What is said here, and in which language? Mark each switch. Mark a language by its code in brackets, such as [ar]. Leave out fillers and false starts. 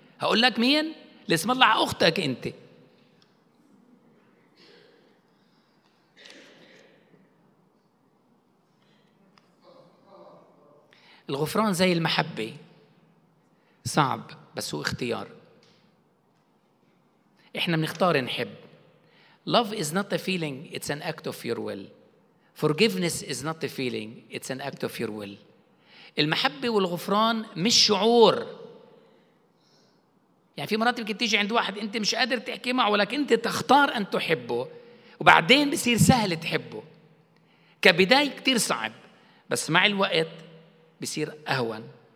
[ar] هقول لك مين؟ لاسم الله أختك أنت. الغفران زي المحبة، صعب بس هو اختيار. إحنا بنختار نحب. [en] Love is not a feeling, it's an act of your will. Forgiveness is not a feeling, it's an act of your will. [ar] المحبة والغفران مش شعور. يعني في مرات يمكن تيجي عند واحد أنت مش قادر تحكي معه، ولكن أنت تختار أن تحبه، وبعدين بصير سهل تحبه. كبداية كتير صعب، بس مع الوقت بصير أهون.